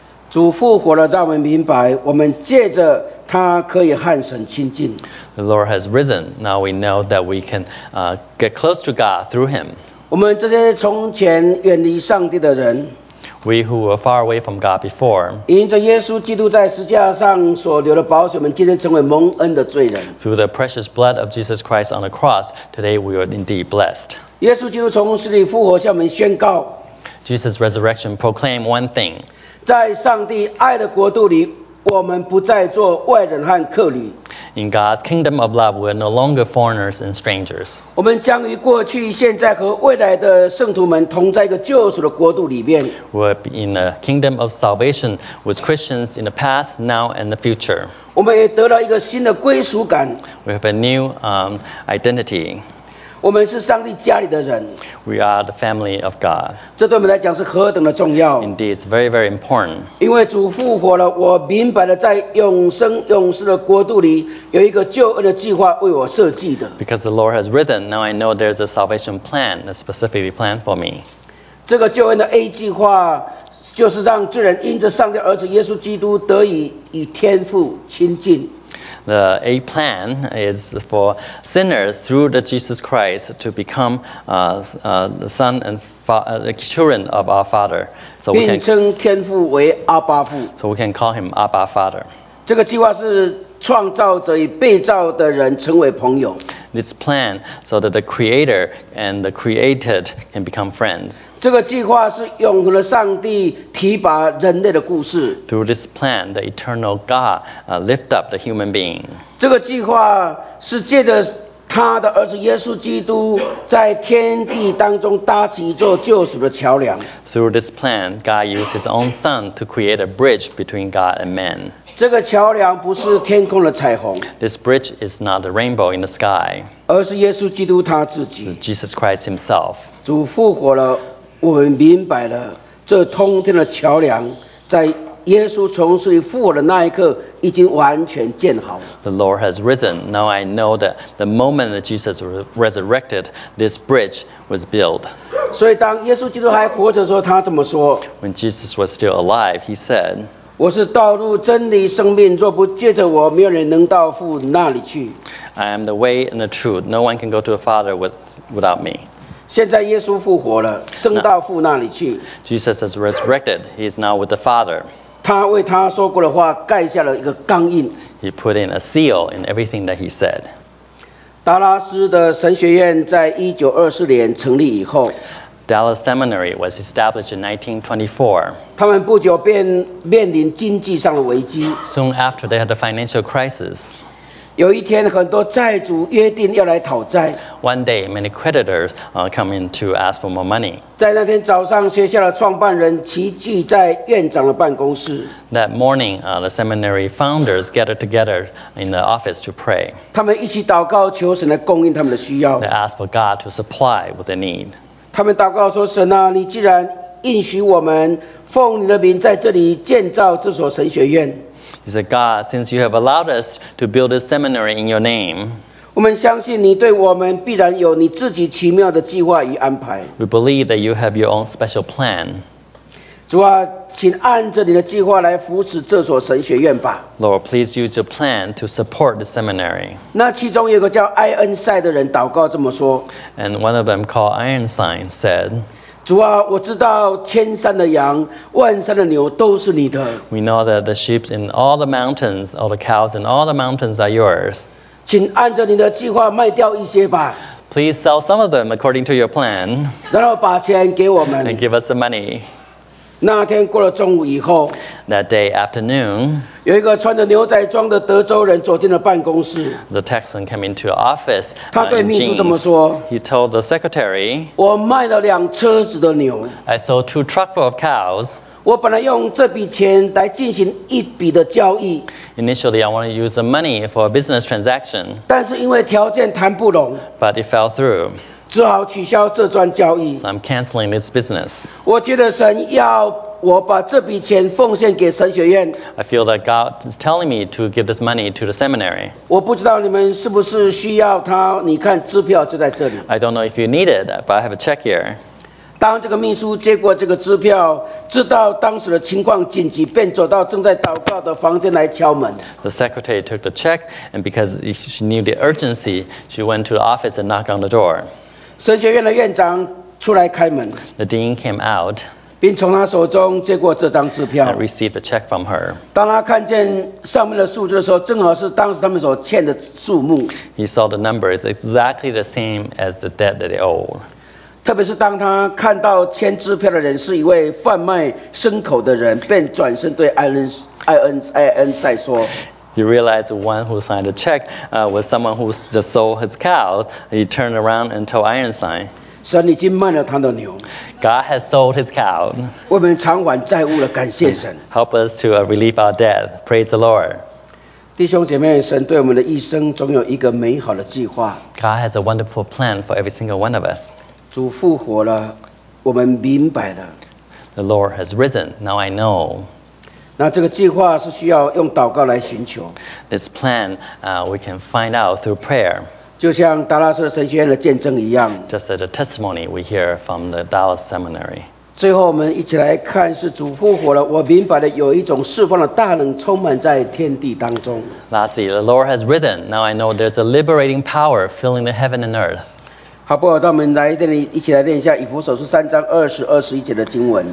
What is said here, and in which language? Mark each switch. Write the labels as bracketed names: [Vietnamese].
[Chinese] 主复活了，让我们明白，我们借着他可以和神亲近。 [English] The Lord has risen. Now we know that we can get close to God through him. [Chinese] 我们这些从前远离上帝的人， [English] We who were far away from God before, [Chinese] 因着耶稣基督在十字架上所流的宝血，我们今天成为蒙恩的罪人。 [English] Through the precious blood of Jesus Christ on the cross, today we are indeed blessed. [Chinese] 耶稣基督从死里复活，向我们宣告。 [English] Jesus' resurrection proclaimed one thing. [Chinese] 在上帝爱的国度里，我们不再做外人和客旅。 [English] In God's kingdom of love, we are no longer foreigners and strangers. [Chinese] 我们将与过去、现在和未来的圣徒们同在一个救赎的国度里面。 [English] We're in a kingdom of salvation with Christians in the past, now, and the future. [Chinese] 我们也得到一个新的归属感。 [English] We have a new identity. [Chinese] 我们是上帝家里的人。 [English] We are the family of God. [Chinese] 这对我们来讲是何等的重要。 [English] Indeed, it's very, very important. [Chinese] 因为主复活了，我明白了，在永生永世的国度里有一个救恩的计划为我设计的。 [English] Because the Lord has risen, now I know there's a salvation plan, a specifically planned for me. [Chinese] 这个救恩的 A 计划就是让罪人因着上帝儿子耶稣基督得以与天父亲近。 [English] The A plan is for sinners through the Jesus Christ to become the son and the children of our Father. So we can, [Chinese] 并称天父为阿爸父。 [English] So we can call him Abba Father. [Chinese] 这个计划是创造者与被造的人成为朋友。 [English] This plan so that the creator and the created can become friends. [Chinese] 这个计划是永恒的上帝提拔人类的故事。 [English] Through this plan, the eternal God lift up the human being. [Chinese] 这个计划是借着他的儿子耶稣基督在天地当中搭起一座救赎的桥梁。 [English] Through this plan, God used his own son to create a bridge between God and man. [Chinese] 这个桥梁不是天空的彩虹。 [English] This bridge is not the rainbow in the sky. [Chinese] 而是耶稣基督他自己。 [English] Jesus Christ himself. [Chinese] 主复活了，我们明白了，这通天的桥梁在耶稣从死里复活的那一刻已经完全建好了。 [English] The Lord has risen. Now I know that the moment that Jesus resurrected, this bridge was built. [Chinese] 所以当耶稣基督还活着的时候，他怎么说？ [English] When Jesus was still alive, he said, [Chinese] 我是道路、真理、生命，若不借着我，没有人能到父那里去。 [English] I am the way and the truth. No one can go to the Father without me. [Chinese] 现在耶稣复活了，升到父那里去。 [English] Jesus has resurrected. He is now with the Father. [Chinese] 他为他说过的话盖下了一个钢印。 [English] He put in a seal in everything that he said. [Chinese] 达拉斯的神学院在1924年成立以后， [English] Dallas Seminary was established in 1924. [Chinese] 他们不久便面临经济上的危机。 [English] Soon after they had a financial crisis. [Chinese] 有一天很多债主约定要来讨债。 [English] One day many creditors come in to ask for more money. [Chinese] 在那天早上，学校的创办人齐聚在院长的办公室。 [English] That morning, the seminary founders gathered together in the office to pray. [Chinese] 他们一起祷告，求神来供应他们的需要。 [English] They asked for God to supply what they need. [Chinese] 他们祷告说，神啊，你既然应许我们奉你的名在这里建造这所神学院。 [English] He said, God, since you have allowed us to build this seminary in your name, [Chinese] 我们相信你对我们必然有你自己奇妙的计划与安排。 [English] We believe that you have your own special plan. [Chinese] 主啊，请按着你的计划来扶持这所神学院吧。 [English] Lord, please use your plan to support the seminary. [Chinese] 那其中有个叫 Ironside 的人祷告这么说。 [English] And one of them called Ironside said, [Chinese] 主啊，我知道千山的羊、万山的牛都是你的。 [English] We know that the sheep in all the mountains, all the cows in all the mountains are yours. [Chinese] 请按照你的计划卖掉一些吧。 [English] Please sell some of them according to your plan. [Chinese] 然后把钱给我们。 [English] And give us the money. [Chinese] 那天过了中午以后。 [English] That day afternoon. [Chinese] 有一个穿着牛仔装的德州人走进了办公室。 [English] The Texan came into the office. [Chinese] 他对秘书这么说。 [English] He told the secretary. [Chinese] 我卖了两车子的牛。 [English] I sold two truckfuls of cows. [Chinese] 我本来用这笔钱来进行一笔的交易。 [English] Initially, I want to use the money for a business transaction. [Chinese] 但是因为条件谈不拢, [English] but it fell through. [Chinese] 只好取消这段交易。 [English] So I'm canceling this business. [Chinese] 我觉得神要我把这笔钱奉献给神学院。 [English] I feel that God is telling me to give this money to the seminary. [Chinese] 我不知道你们是不是需要它, 你看支票就在这里。 [English] I don't know if you need it, but I have a check here. [Chinese] 当这个秘书接过这个支票，知道当时的情况紧急，便走到正在祷告的房间来敲门。 [English] The secretary took the check, and because she knew the urgency, she went to the office and knocked on the door. [Chinese] 神学院的院长出来开门。 [English] The dean came out, [Chinese] 并从他手中接过这张支票。 [English] And received the check from her. [Chinese] 当他看见上面的数字的时候，正好是当时他们所欠的数目。 [English] He saw the number is exactly the same as the debt that they owe. [Chinese] 特别是当他看到签支票的人是一位贩卖牲口的人，便转身对艾恩塞说。 [English] He realized the one who signed the check, was someone who just sold his cow. He turned around and told Ironside, [Chinese] 神已经卖了他的牛。 [English] God has sold his cow. [Chinese] 我们偿还债务了，感谢神。 [English] Help us to relieve our debt. Praise the Lord. [Chinese] 弟兄姐妹，神对我们的一生总有一个美好的计划。 [English] God has a wonderful plan for every single one of us. [Chinese] 主复活了，我们明白了。 [English] The Lord has risen, now I know. [Chinese] 那这个计划是需要用祷告来寻求。 [English] This plan, we can find out through prayer. [Chinese] 就像达拉斯神学院的见证一样。 [English] Just as a testimony we hear from the Dallas Seminary. [Chinese] 最后我们一起来看，是主复活了，我明白了，有一种释放的大能充满在天地当中。 [English] Lastly, the Lord has risen, now I know there's a liberating power filling the heaven and earth. [Chinese] 好不好，让我们来这里一起来念一下以弗所书三章二十二十一节的经文。